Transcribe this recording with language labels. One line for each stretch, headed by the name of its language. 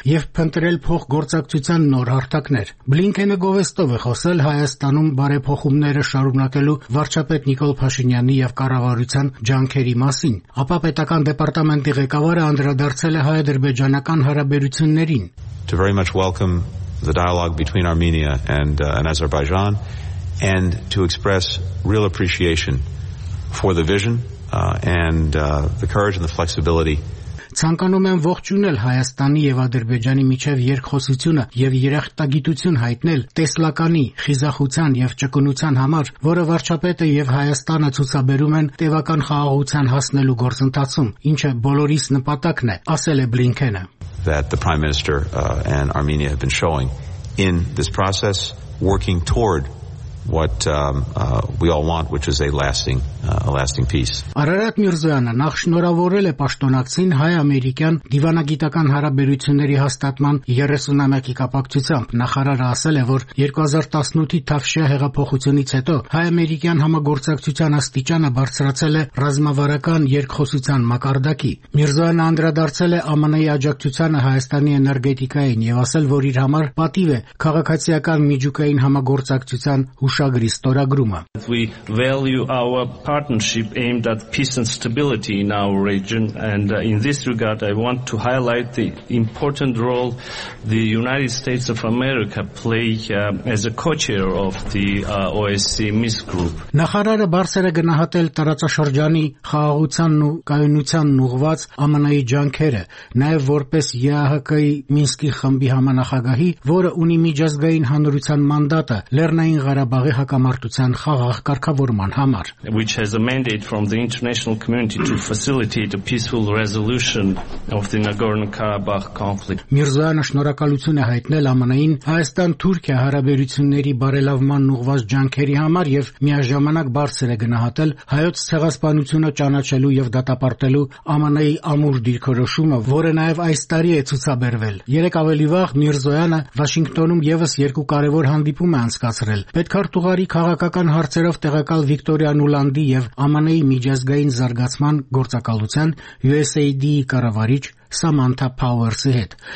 Armenian: և փնտրել փող գործակցության նոր հարթակներ։ Բլինքենը գովեստով է խոսել Հայաստանում բարեփոխումները շարունակելու վարչապետ Նիկոլ Փաշինյանի և կառավարության ջանքերի մասին։ Ապա պետական դեպարտամենտի ղեկավարը անդրադարձել է հայ-ադրբեջանական հարաբերություններին.
English: To very much welcome the dialogue between Armenia and Azerbaijan and to express real appreciation for the vision the courage and the flexibility.
Armenian: Ցանկանում եմ ողջունել Հայաստանի եւ Ադրբեջանի միջև երկխոսությունը եւ երախտագիտություն հայտնել տեսլականի, խիզախության եւ ճկունության համար, որը վարչապետը եւ Հայաստանը ցուցաբերում են տևական խաղաղության հասնելու գործընթացում, ինչը բոլորիս նպատակն է, ասել է Բլինքենը.
English: That the Prime Minister and Armenia have been showing in this process working toward what we all want, which is a lasting peace.
Armenian: Արարատ Միրզոյանը նախ շնորհավորել է պաշտոնակցին հայ-ամերիկյան դիվանագիտական հարաբերությունների հաստատման 30-ամյակի կապակցությամբ։ Նախարարը ասել է, որ 2018-ի Թավշյա հեղափոխությունից հետո հայ-ամերիկյան համագործակցության աստիճանը բարձրացել է ռազմավարական երկխոսության մակարդակի։ Միրզոյանը անդրադարձել է ԱՄՆ-ի աջակցությանը Հայաստանի էներգետիկային եւ ասել, որ իր համար պատիվ է քաղաքացիական միջուկային համագործակցության հուշագրի ստորագրումը։
English: We value our partnership aimed at peace and stability in our region, and in this regard I want to highlight the important role the United States of America play as a co-chair of the OSCE Minsk group.
Armenian: Նախարարը բարձրը գնահատել տարածաշրջանի խաղաղությանն ու կայունությանն ուղված ԱՄՆ-ի ջանքերը, նաև որպես ԵԱՀԿ-ի Մինսկի խմբի համանախագահի, որը ունի միջազգային հանրության մանդատը Լեռնային Ղարաբաղի հակամարտության խաղաղ կարգավորման համար.
English: Which has a mandate from the international community to facilitate a peaceful resolution of the Nagorno-Karabakh conflict.
Armenian: Միրզոյանը շնորհակալություն է հայտնել ԱՄՆ-ին Հայաստան-Թուրքիա հարաբերությունների բարելավման ուղված ջանքերի համար եւ միաժամանակ բարձր է գնահատել հայոց ցեղասպանությունը ճանաչելու եւ դատապարտելու ԱՄՆ-ի ամուր դիրքորոշումը, որը նաեւ այս տարի է ցուցաբերվել։ Երեկ ավելի վաղ Միրզոյանը Վաշինգտոնում եւս երկու կարեւոր հանդիպում է անցկացրել Պետքարտուղարի քաղաքական հարցերով տեղակալ Վիկտորիա Նուլանդի եւ ԱՄՆ-ի միջազգային զարգացման գործակալության USAID-ի կառավարիչ Սամանթա Փաուերսի հետ։